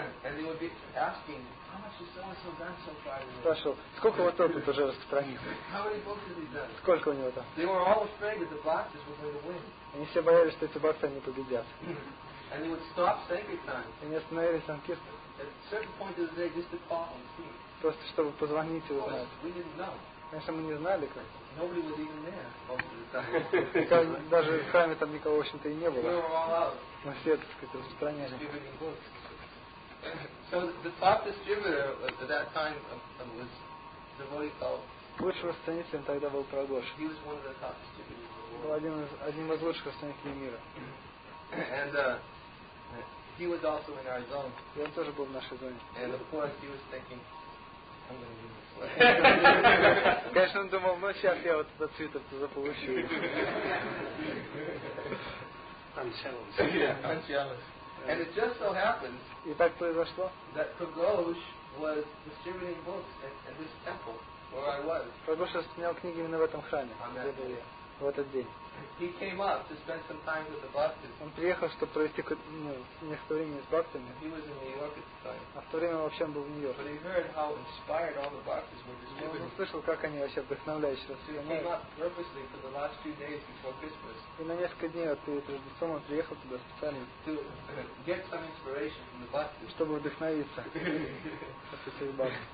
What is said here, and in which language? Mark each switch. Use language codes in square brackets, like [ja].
[en] And they would be asking, how much is so-and-so done so far? [ru] Спрашивал, сколько вот тот уже распространил? [en] How many books have they done? [ru] Сколько у него там? [en] They were all afraid that the bhaktas were going to win. [ru] Они все боялись, что эти бхакты не победят. [en] And they would stop sankirtan. [ru] Они остановили санкиртан. [en] At a certain point of the day, just to call and see. [ru] Просто чтобы позвонить и узнать. [en] We didn't know. [ru] Конечно, мы не знали как. [en] Nobody was even there most of the time. [ru] Даже в храме там никого, в общем-то, и не было. [en] We were all out. [ru] Мы все, так сказать, распространяли. [en] So the top distributor at that time was the boy called. [ru] Лучшим распространителем тогда был Прагош. [en] He was one of the top distributors of the world. [ru] Одним из лучших распространителей мира. [en] And he was also in our zone. [ru] И он тоже был в нашей зоне. [en] And of course he was thinking, I'm going to do this. [ru] Конечно, он думал, ну сейчас я вот этот цветок заполучу. [en] Unchallenged. And it just so happened. [ru] И так произошло. [en] That Pragosh was distributing books at this temple where I was. [ru] Прагош распространял книги именно в этом храме, где был я. В этот день. [en] He came up to spend some time with the bhaktas. [ru] Он приехал, чтобы провести некоторое время с бхактами. [en] He was in New York at the time. [ru] А в то время вообще он был в Нью-Йорке. [en] But he heard how inspired all the bhaktas were distributing. [ru] Он услышал, как они вообще вдохновляюще распространяют. [en] He came up purposely for the last few days before Christmas. [ru] И на несколько дней перед Рождеством он приехал туда специально. [en] To get some inspiration from the bhaktas. [ru] Чтобы вдохновиться от этих бхакт.